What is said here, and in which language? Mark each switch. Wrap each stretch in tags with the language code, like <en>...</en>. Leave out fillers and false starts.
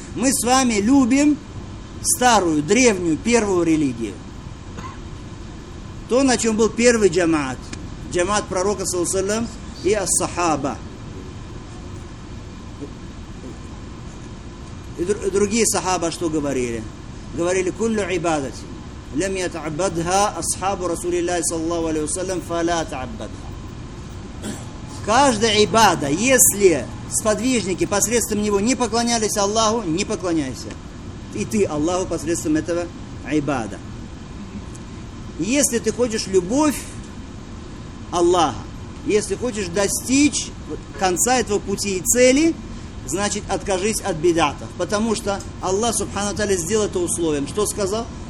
<ru>Мы с вами любим старую, древнюю, первую религию. То, на чем был первый джамаат. Джамаат пророка, саллаллаху алейхи ва саллям, и ас-сахаба. И другие сахаба что говорили? Говорили,</ru> <ar>куллю ибадати. لم يتعبدها اصحاب رسول الله صلى الله عليه وسلم فلا تعبدها.</ar> <ru>Каждая ибада, если сподвижники посредством него не поклонялись Аллаху, не поклоняйся. И ты Аллаху посредством этого ибада. Если ты хочешь любовь Аллаха, если хочешь достичь конца этого пути и цели, значит, откажись от бидатов, потому что Аллах Субхану Тааля сделал это условием. Что сказал?</ru>